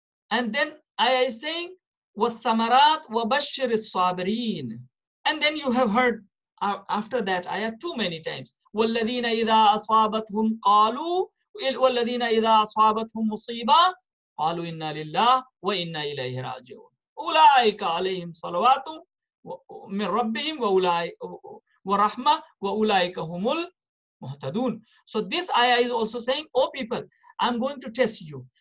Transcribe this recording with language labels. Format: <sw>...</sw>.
<en>And then ayah is saying</en> <ar>wath-thamarat wa bashshir as-sabirin.</ar> <en>And then you have heard after that ayah too many times.</en> <ar>والذين إذا أصابتهم قالوا والذين إذا أصابتهم مصيبة قالوا إنا لله وإنا إليه راجعون أولئك عليهم صلوات من ربهم ورحمة وأولئك هم المهتدون.</ar> <en>So this ayah is also saying, oh people, I'm going to test you.</en>